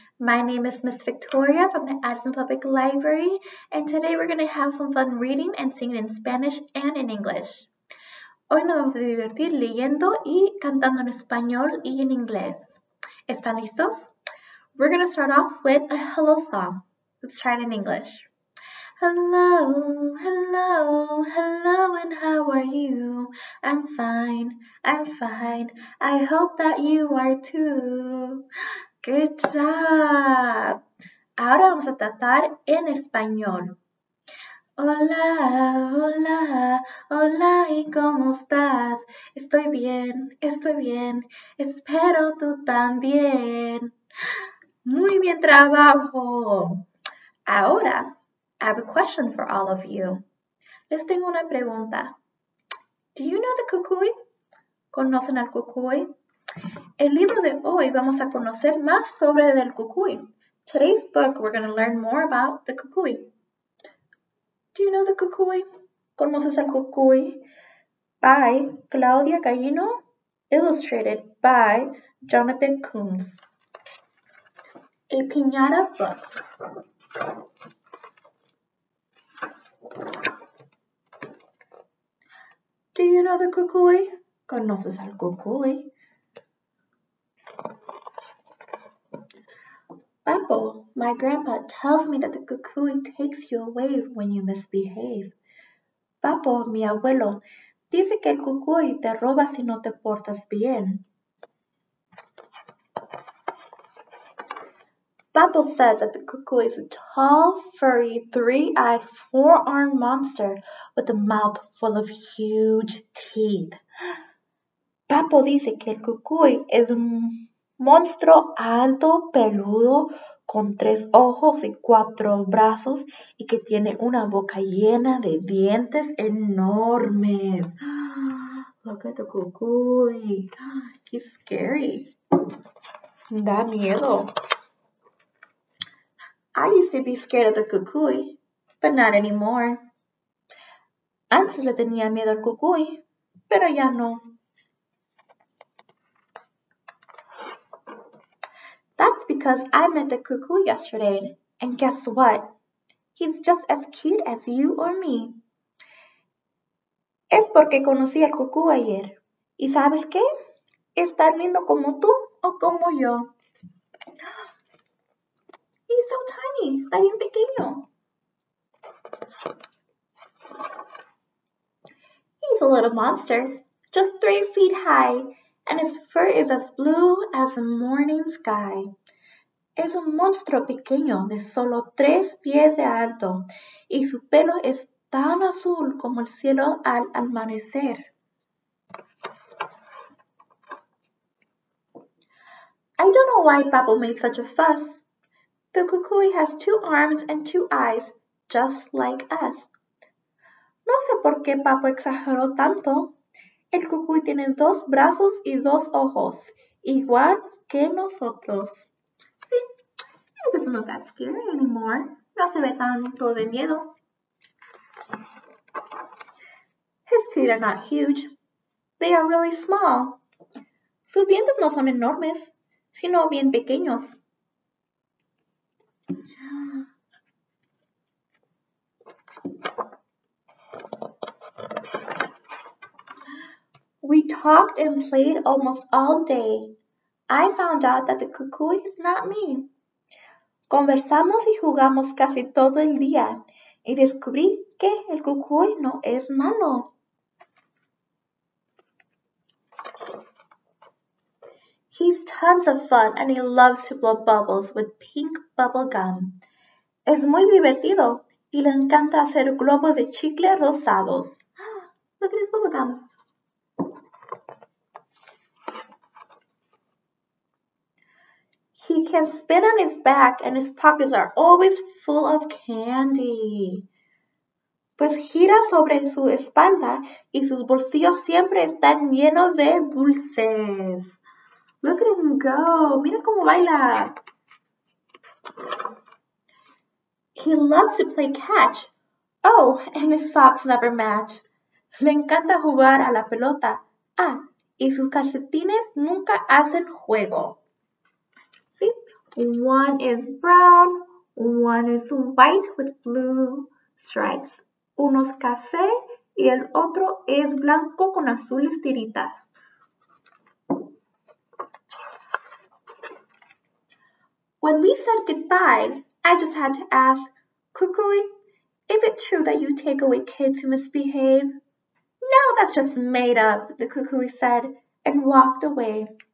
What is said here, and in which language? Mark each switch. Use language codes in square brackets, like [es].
[en] My name is Miss Victoria from the Addison Public Library, and today we're going to have some fun reading and singing in Spanish and in English. [es] Hoy nos vamos a divertir leyendo y cantando en español y en inglés. ¿Están listos? We're going to start off with a hello song. Let's try it in English. Hello, hello, hello, and how are you? I'm fine, I'm fine. I hope that you are too. [en] Good job! [es] Ahora vamos a tratar en español. Hola, hola, hola, ¿y cómo estás? Estoy bien, estoy bien. Espero tú también. ¡Muy bien trabajo! [en] Ahora, I have a question for all of you. [es] Les tengo una pregunta. [en] Do you know the cucuy? [es] ¿Conocen al cucuy? El libro de hoy vamos a conocer más sobre el cucuy. [en] Today's book, we're going to learn more about the cucuy. Do you know the cucuy? [es] ¿Conoces al cucuy? [en] By Claudia Gallino, illustrated by Jonathan Coombs. A Piñata Books. Do you know the cucuy? [es] ¿Conoces al cucuy? [en] Pepo, my grandpa tells me that the cucuy takes you away when you misbehave. [es] Pepo, mi abuelo, dice que el cucuy te roba si no te portas bien. [en] Pepo says that the cuckoo is a tall, furry, three-eyed, four-armed monster with a mouth full of huge teeth. [es] Pepo dice que el cuckoo es un monstruo alto, peludo, con tres ojos y cuatro brazos y que tiene una boca llena de dientes enormes. [en] Look at the cuckoo. He's scary. [es] Da miedo. [en] I used to be scared of the cucuy, but not anymore. [es] Antes le tenía miedo al cucuy, pero ya no. [en] That's because I met the cucuy yesterday, and guess what? He's just as cute as you or me. [es] Es porque conocí al cucuy ayer. ¿Y sabes qué? Es tan lindo como tú o como yo. [en] He's so tiny. [es] Está bien pequeño. [en] He's a little monster, just 3 feet high, and his fur is as blue as the morning sky. [es] Es un monstruo pequeño de solo 3 pies de alto, y su pelo es tan azul como el cielo al amanecer. [en] I don't know why Pablo made such a fuss. The cucuy has 2 arms and 2 eyes, just like us. [es] No sé por qué Papo exageró tanto. El cucuy tiene 2 brazos y 2 ojos, igual que nosotros. Sí, [en] it doesn't look that scary anymore. [es] No se ve tanto de miedo. [en] His teeth are not huge. They are really small. [es] Sus dientes no son enormes, sino bien pequeños. [en] We talked and played almost all day. I found out that the cucuy is not mean. [es] Conversamos y jugamos casi todo el día y descubrí que el cucuy no es malo. [en] He's tons of fun and he loves to blow bubbles with pink bubble gum. [es] Es muy divertido y le encanta hacer globos de chicle rosados. [en] Look at his bubble gum. He can spin on his back and his pockets are always full of candy. [es] Pues gira sobre su espalda y sus bolsillos siempre están llenos de dulces. [en] Look at him go. [es] Mira cómo baila. [en] He loves to play catch. Oh, and his socks never match. [es] Le encanta jugar a la pelota, Ah, y sus calcetines nunca hacen juego. [en] See, one is brown, one is white with blue stripes. [es] Uno es café y el otro es blanco con azules tiritas. [en] When we said goodbye, I just had to ask, Kukui, is it true that you take away kids who misbehave? No, that's just made up, the Kukui said, and walked away.